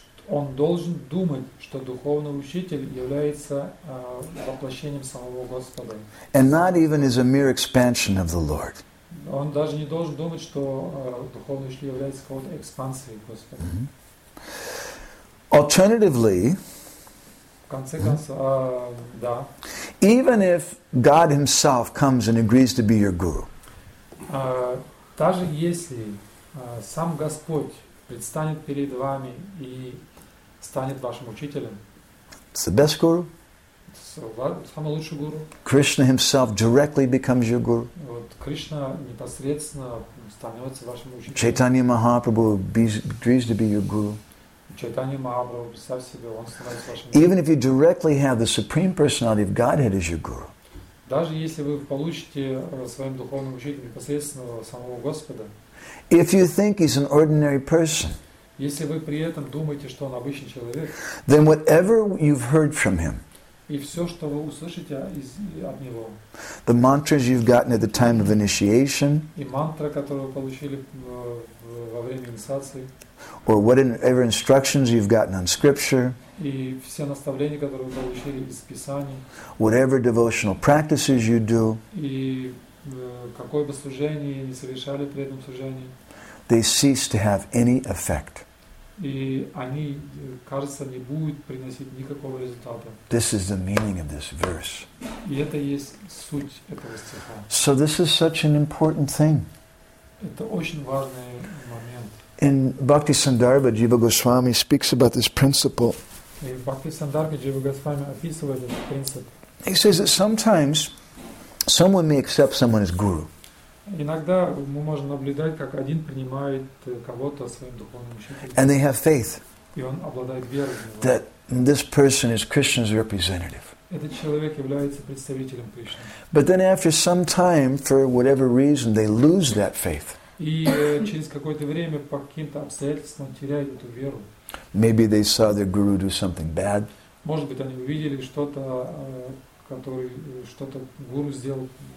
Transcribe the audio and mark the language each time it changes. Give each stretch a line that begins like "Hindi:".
Russian: Он должен думать, что духовный учитель является воплощением самого Господа.
English: And not even is a mere expansion of the Lord.
Russian: Он даже не должен думать, что духовный учитель является какой-то экспансией Господа. Mm-hmm.
English: Alternatively,
Russian: в конце концов, да.
English: Even if God Himself comes and agrees to be your guru.
Russian: Даже если сам Господь предстанет перед вами и станет вашим учителем.
English: It's the best guru.
Russian: So, самый лучший гуру.
English: Krishna himself directly becomes your guru.
Russian: Вот Кришна непосредственно становится вашим учителем.
English: Chaitanya Mahaprabhu dreams to be your guru.
Russian: Chaitanya Mahaprabhu, представь себе, он становится вашим учителем.
English: Even if you directly have the Supreme Personality of Godhead as your guru.
Russian: Даже если вы получите своим духовным учителем непосредственно самого Господа.
English: If you think he's an ordinary person.
Russian: Если вы при этом думаете, что он обычный человек.
English: Then whatever you've heard from him.
Russian: И все, что вы услышите от него.
English: The mantras you've gotten at the time of initiation.
Russian: И мантра, которую вы получили во время инициации.
English: Or whatever instructions you've gotten on scripture.
Russian: И все наставления, которые вы получили из Писаний.
English: Whatever devotional practices you do.
Russian: И какое бы служение ни совершали при этом служении.
English: They cease to have any effect.
Russian: И они, кажется, не будут приносить никакого результата.
English: This is the meaning of this verse.
Russian: И это есть суть этого стиха.
English: So this is such an important thing.
Russian: Это очень важный момент.
English: In Bhaktisandarbha, Jiva Goswami speaks about this principle.
Russian: И в Бхактисандарбхе Джива Госвами описывает этот принцип.
English: He says that sometimes someone may accept someone as guru.
Russian: Иногда мы можем наблюдать, как один принимает кого-то своим духовным учителем.
English: And they have faith.
Russian: И он обладает верой в него.
English: That this person is Krishna's representative.
Russian: Этот человек является представителем Кришны.
English: But then after some time, for whatever reason, they lose that faith.
Russian: И через какое-то время по каким-то обстоятельствам теряют эту веру.
English: Maybe they saw their guru do something bad.
Russian: Может быть, они увидели что-то, что-то гуру сделал.